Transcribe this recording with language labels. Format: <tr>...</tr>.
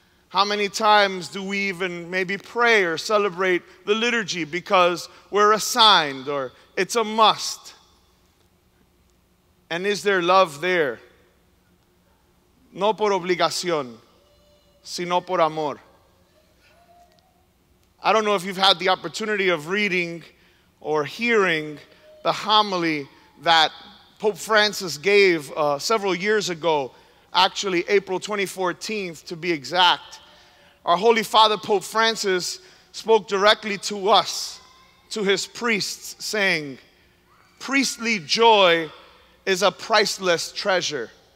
<en>How many times do we even maybe pray or celebrate the liturgy because we're assigned, or it's a must? And is there love there?</en> <es>No por obligación, sino por amor.</es> <en>I don't know if you've had the opportunity of reading or hearing the homily that Pope Francis gave several years ago, actually April 2014 to be exact. Our Holy Father Pope Francis spoke directly to us, to his priests, saying, priestly joy is a priceless treasure.</en>